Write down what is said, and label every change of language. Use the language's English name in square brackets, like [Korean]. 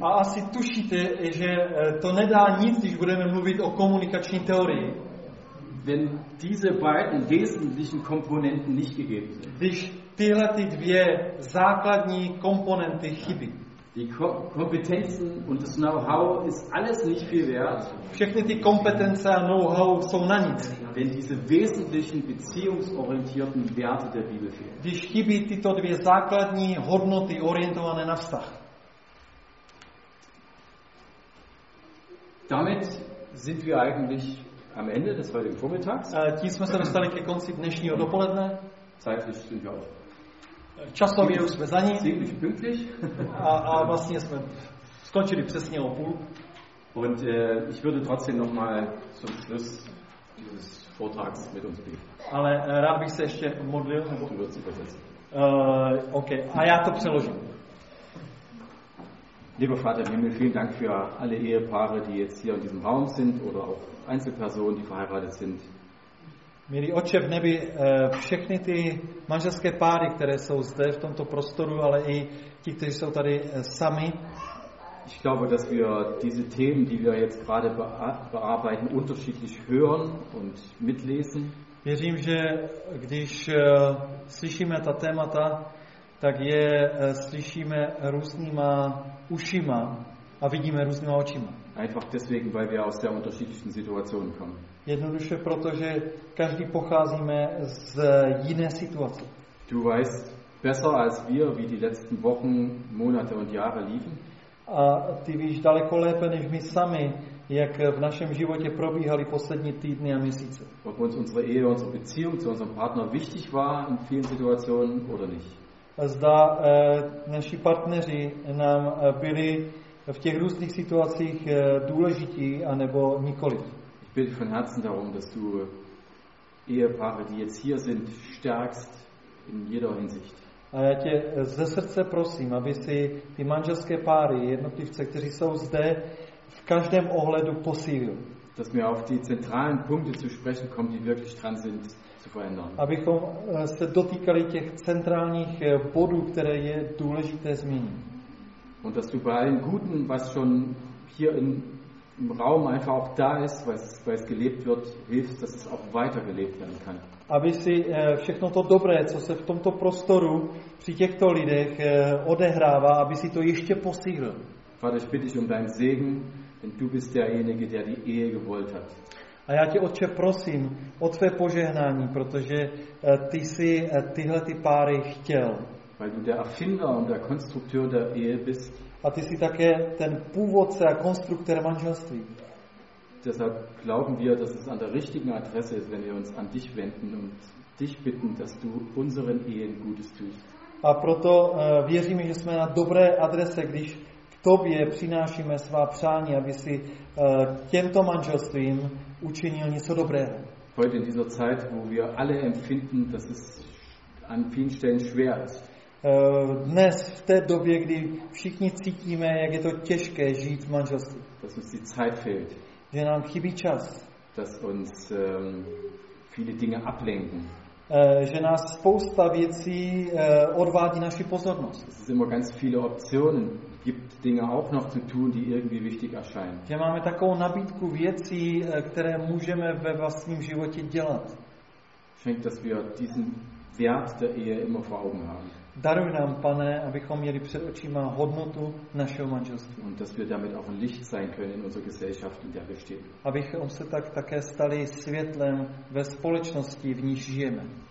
[Czech] A asi tušíte, že to nedá nic, když budeme mluvit o komunikační teorii. [German] Wenn diese beiden wesentlichen Komponenten nicht gegeben sind. [Czech] Když tyhle ty dvě základní komponenty chybí. [German] Die Kompetenzen und das Know-how ist alles nicht viel wert. [Czech] Všechny ty kompetence a know-how jsou na nic. [German] Wenn diese wesentlichen beziehungsorientierten Werte der Bibel fehlen. [Czech] Když chybí tyto dvě základní hodnoty orientované na vztah. [German] Damit sind wir eigentlich am Ende des heutigen Vormittags. [Czech] Tím jsme se dostali ke konci dnešního dopoledne. [German] Zeitlich sind wir auch. [Czech] Časově už jsme za ní. [German] Ziemlich pünktlich. [Czech] A vlastně jsme skončili přesně o půl. [German] Und ich würde trotzdem noch mal zum Schluss dieses Vortrags mit uns beten. [Czech] Ale rád bych se ještě modlil. [German] Du wirst sie versetzen. [Czech] Okay, a já to přeložím. [German] Lieber Vater im Himmel, vielen Dank für alle Ehepaare, die jetzt hier in diesem Raum sind oder auch Einzelpersonen, die verheiratet sind. [Czech] Milý Otče v nebi, všechny ty manželské páry, které jsou zde v tomto prostoru, ale i ti, kteří jsou tady sami. [German] Ich glaube, dass wir diese Themen, die wir jetzt gerade bearbeiten, unterschiedlich hören und mitlesen. [Czech] Věřím, že když slyšíme ta témata, tak je slyšíme různýma ušima a vidíme různýma očima. [German] Einfach deswegen, weil wir aus der unterschiedlichen Situation kommen. [Czech] Jednoduše proto, že každý pocházíme z jiné situace. [German] Du weißt besser als wir, wie die letzten Wochen, Monate und Jahre liefen. [Czech] A ty víš daleko lépe než my sami, jak v našem životě probíhaly poslední týdny a měsíce. [German] Ob uns unsere Ehe, unsere Beziehung zu unserem Partner wichtig war in vielen Situationen oder nicht. [Czech] Zda naši partneři nám byli v těch různých situacích důležití anebo nikoliv. [German] Ich bitte von Herzen darum, dass du Ehepaare, die jetzt hier sind, stärkst in jeder Hinsicht. [Czech] A já tě ze srdce prosím, aby si ty manželské páry, jednotlivce, kteří jsou zde, v každém ohledu posílil. [German] Dass wir auf die zentralen Punkte zu sprechen kommen, die wirklich dran sind, zu verändern. [Czech] Abychom se dotýkali těch centrálních bodů, které je důležité zmínit. [German] Und dass du bei allem Guten, was schon hier im Raum einfach auch da ist, was gelebt wird, hilft, dass es auch weiter gelebt werden kann. [Czech] Aby si všechno to dobré, co se v tomto prostoru při těchto lidech odehrává, aby si to ještě posílil. [German] Vater, ich bitte dich um deinen Segen, denn du bist derjenige, der die Ehe gewollt hat. [Czech] A já tě, Otče, prosím o tvé požehnání, protože ty jsi tyhle ty páry chtěl. [German] Weil du der Erfinder und der Konstrukteur der Ehe bist. [Czech] A ty jsi také ten původce a konstruktor manželství. [German] Deshalb glauben wir, dass es an der richtigen Adresse ist, wenn wir uns an dich wenden und dich bitten, dass du unseren Ehen Gutes tust. [Czech] A proto věříme, že jsme na dobré adrese, když k tobě přinášíme svá přání, aby si těmto manželstvím učinil něco dobrého. [German] Heute in dieser Zeit, wo wir alle empfinden, dass es an vielen Stellen schwer ist. [Czech] Dnes, v té době, kdy všichni cítíme, jak je to těžké žít v manželství. [German] Dass uns die Zeit fehlt. [Czech] Že nám chybí čas. [German] Dass uns viele Dinge ablenken. [Czech] Že nás spousta věcí odvádí naši pozornost. [German] Es ist immer ganz viele Optionen. Gibt Dinge auch noch zu tun, die irgendwie wichtig erscheinen. [Czech] Že máme takovou nabídku věcí, které můžeme ve vlastním životě dělat. [German] Schenk, dass wir diesen Wert der Ehe immer vor Augen haben. [Czech] Daruj nám, Pane, abychom měli před očima hodnotu našeho manželství. [German] Und dass wir damit auch ein Licht sein können in unserer Gesellschaft, in der wir stehen. [Czech] Abychom se tak také stali světlem ve společnosti, v níž žijeme.